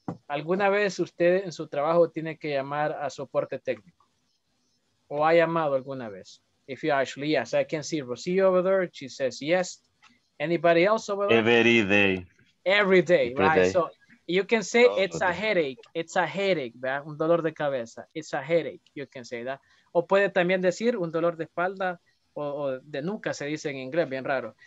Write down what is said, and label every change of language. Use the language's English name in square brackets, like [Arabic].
[Spanish] ¿Alguna vez usted en su trabajo tiene que llamar a soporte técnico? ¿O ha llamado alguna vez? [English] If you actually, yes, I can see Rocío over there. She says yes. Anybody else over there? Every day. Every day, every right? Day. So you can say it's a headache. It's a headache, [Spanish] ¿verdad? Un dolor de cabeza. [English] It's a headache. You can say that. [Spanish] O puede también decir un dolor de espalda o de nuca, se dice en inglés, bien raro.